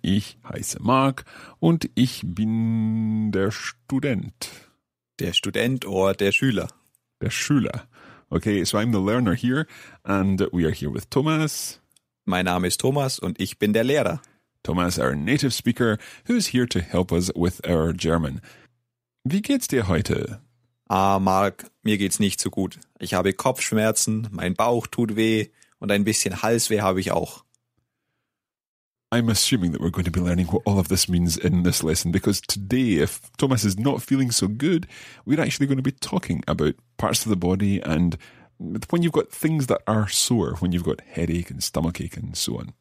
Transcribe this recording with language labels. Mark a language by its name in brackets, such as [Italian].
[German] Ich heiße Mark und ich bin der Student. Der Student or der Schüler. Der Schüler. [English] Okay, so I'm the learner here and we are here with Thomas. [German] Mein Name ist Thomas und ich bin der Lehrer. [English] Thomas, our native speaker, who's here to help us with our German. [German] Wie geht's dir heute? Ah, Mark, mir geht's nicht so gut. Ich habe Kopfschmerzen, mein Bauch tut weh und ein bisschen Halsweh habe ich auch. [English] I'm assuming that we're going to be learning what all of this means in this lesson, because today, if Thomas is not feeling so good, we're actually going to be talking about parts of the body and when you've got things that are sore, when you've got headache and stomachache and so on.